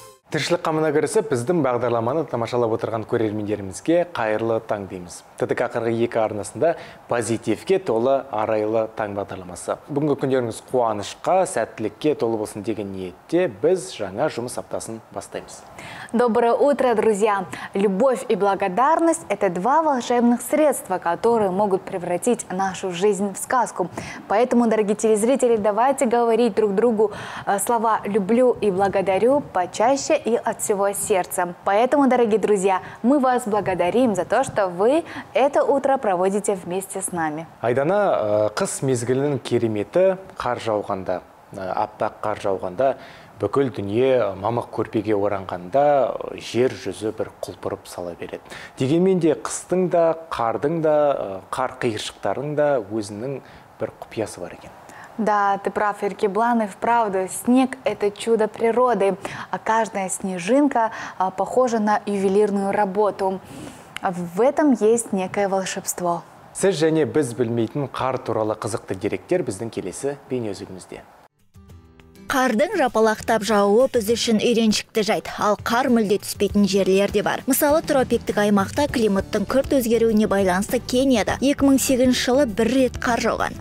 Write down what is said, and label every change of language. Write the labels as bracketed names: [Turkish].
[Kazakh] Тіршілік қамына кірісіп, біздің бағдарламаны тамашалап отырған көрермендерімізге қайырлы таң дейміз. ТТК 42 арнасында позитивке толы арайлы таң бағдарламасы. Бүгінгі күндеріңіз қуанышқа, сәттілікке толы болсын деген ниетте біз жаңа жұмыс аптасын бастаймыз. [Russian] Доброе утро, друзья! Любовь и благодарность – это два волшебных средства, которые могут превратить нашу жизнь в сказку. Поэтому, дорогие телезрители, давайте говорить друг другу слова «люблю» и «благодарю» почаще и от всего сердца. Поэтому, дорогие друзья, мы вас благодарим за то, что вы это утро проводите вместе с нами. [Kazakh] Айдана, қыс мезгілінің кереметі қар жауғанда, аппақ қар жауғанда, бүкіл дүние мамық көрпеге оранғанда жер жүзі бір құлпырып сала береді. Дегенмен де қыстың да, қардың да, қар қиыршықтарының да өзінің бір құпиясы бар екен. [Russian] Да, ты прав, Еркебулан, и вправду, снег – это чудо природы, а каждая снежинка похожа на ювелирную работу. В этом есть некое волшебство. [Kazakh] Сіз және біз білмейтін қар туралы қызықты деректер біздің келесі бейнеөзігімізде. Қардың жапалақтап жауы біз үшін үйреншікті жайт, ал қар мүлде түспейтін жерлер де бар. Мысалы, тропиктік аймақта климаттың күрт өзгеруіне байланысты Кенияда 2008 жылы бір рет қар жауған.